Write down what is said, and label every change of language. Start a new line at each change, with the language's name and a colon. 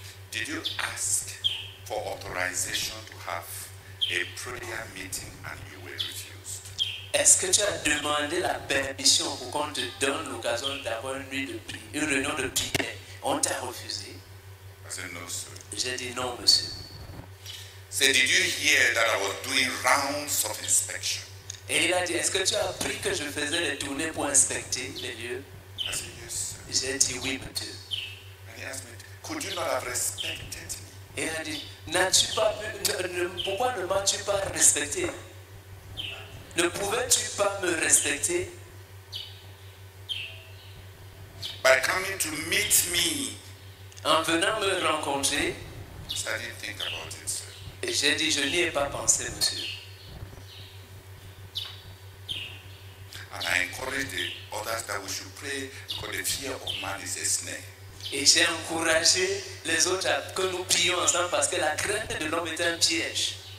English: Did you ask for authorization to have a prayer meeting and you were refused?
French: Est-ce que tu as demandé la permission pour qu'on te donne l'occasion d'avoir une nuit de prière, une réunion de prière? On t'a refusé?
English: I said no, sir.
French: J'ai dit non, monsieur.
English: Say, did you hear that I was doing rounds of inspection?
French: Et il a dit, est-ce que tu as appris que je faisais les tournées pour inspecter les lieux?
English: I said, yes, sir.
French: J'ai dit oui, monsieur.
English: And he asked me, Could you not have respected me?
French: Et elle a dit, n'as-tu pas pu, pourquoi ne m'as-tu pas respecté? Ne pouvais-tu pas me respecter?
English: By coming to meet me,
French: en venant me rencontrer,
English: I didn't think about it, sir.
French: Et j'ai dit, je n'y ai pas pensé, monsieur.
English: And I encouraged the others that we should pray because the fear of man is a snare.
French: Et j'ai encouragé les autres à que nous prions ensemble parce que la crainte de l'homme est un piège.